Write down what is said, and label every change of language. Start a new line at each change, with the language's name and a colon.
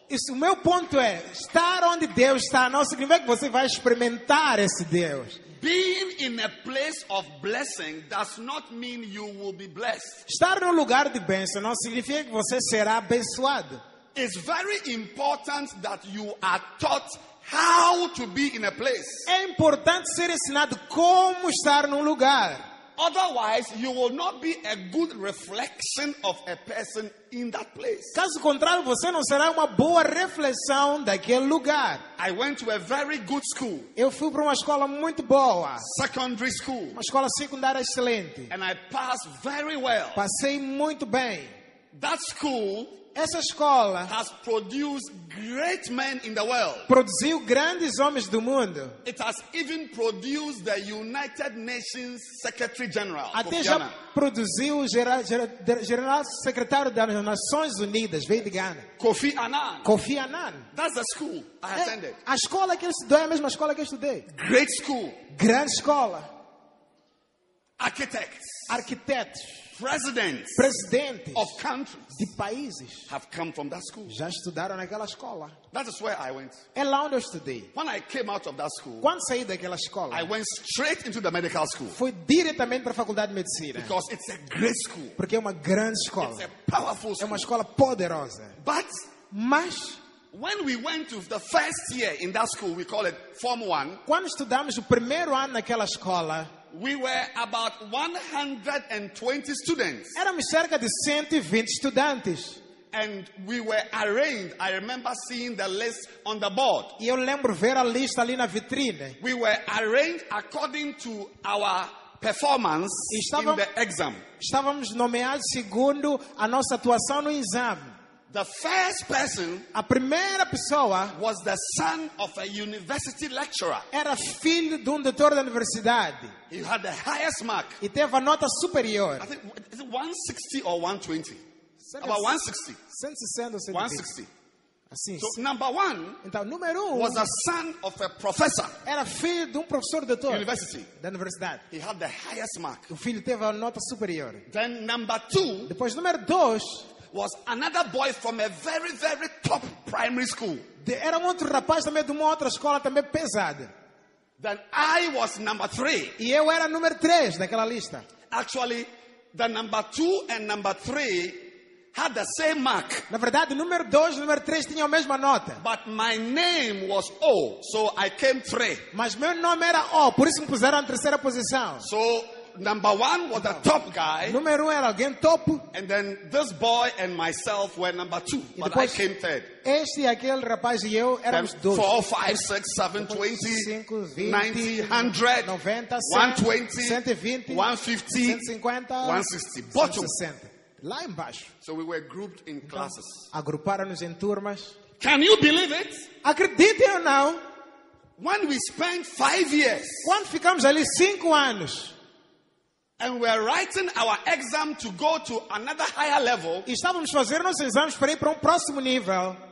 Portuguese: Isso, o meu ponto é, estar onde Deus está não significa que você vai experimentar esse Deus.
English: Being in a place of blessing does not mean you will be blessed.
Portuguese: Estar num lugar de bênção não significa que você será abençoado.
English: It's very important that you are taught how to be in a place.
Portuguese: É importante ser ensinado como estar num lugar.
English: Otherwise, you will not be a good reflection of a person in that place.
Portuguese: Caso contrário, você não será uma boa reflexão daquele lugar.
English: I went to a very good school.
Portuguese: Eu fui para uma escola muito boa.
English: Secondary school.
Portuguese: Uma escola secundária excelente.
English: And I passed very well.
Portuguese: Passei muito bem.
English: That school.
Portuguese: Essa escola
English: has produced great men in the world.
Portuguese: Produziu grandes homens do mundo.
English: It has even produced the United Nations Secretary General.
Portuguese: Até já produziu o general secretário das Nações Unidas, veio de Ghana.
English: Kofi Annan. Kofi Annan. That's the school I attended.
Portuguese: A escola que eu estudei, a mesma escola que eu estudei.
English: Great school.
Portuguese: Grande escola.
English: Architects.
Portuguese: Arquitetos.
English: Presidents,
Portuguese: presidentes
English: of countries,
Portuguese: de países,
English: have come from that school.
Portuguese: Já estudaram naquela escola.
English: That is where I went.
Portuguese: É lá onde eu estudei.
English: When I came out of that school,
Portuguese: quando saí daquela escola,
English: I went straight into the medical school.
Portuguese: Fui diretamente para a faculdade de medicina.
English: Because it's a great school.
Portuguese: Porque é uma grande escola.
English: It's a powerful school.
Portuguese: É uma escola poderosa.
English: But,
Portuguese: mas,
English: when we went to the first year in that school, we call it Form 1.
Portuguese: Quando estudamos o primeiro ano naquela escola,
English: we were about 120 students.
Portuguese: Éramos cerca de 120 estudantes.
English: And we were arranged. I remember seeing the list on the board.
Portuguese: E eu lembro ver a lista ali na vitrine.
English: We were arranged according to our performance
Portuguese: estávamos,
English: in the exam.
Portuguese: Estávamos nomeados segundo a nossa atuação no exame.
English: The first person,
Portuguese: a primeira pessoa,
English: was the son of a university lecturer.
Portuguese: Era filho de doutor da universidade.
English: He had the highest mark.
Portuguese: E teve a nota superior.
English: I think is it 160 or 120? About 160.
Portuguese: 160. Assim,
English: so number one,
Portuguese: então, número um,
English: was a son of a professor.
Portuguese: Era filho de professor doutor.
English: University.
Portuguese: Da universidade.
English: He had the highest mark.
Portuguese: O filho teve a nota superior.
English: Then number two.
Portuguese: Depois número dois.
English: Was another boy from a very, very top primary school.
Portuguese: Era outro rapaz também de uma outra escola também pesada.
English: Then I was number three.
Portuguese: E eu era número três daquela lista.
English: Actually, the number two and number three had the same mark.
Portuguese: Na verdade, número dois e número três tinham a mesma nota.
English: But my name was O, so I came three.
Portuguese: Mas meu nome era O, por isso me puseram na terceira posição.
English: So number one was the top guy.
Portuguese: Número um era alguém top.
English: And then this boy and myself were number two.
Portuguese: E depois,
English: but I came third.
Portuguese: Este e aquele rapaz e eu éramos
English: then
Portuguese: dois. 4, 5, 6, 7, 20, 90, 100, 90, 120, 120, 150,
English: 160. Bottom.
Portuguese: 160. Lá embaixo.
English: So we were grouped in então, classes.
Portuguese: Agruparam-nos em turmas.
English: Can you believe it?
Portuguese: Acreditem ou não?
English: When we spend 5 years,
Portuguese: quando ficamos ali 5 anos,
English: and we are writing our exam to go to another higher level,
Portuguese: e estávamos fazendo nossos exames para ir para próximo nível.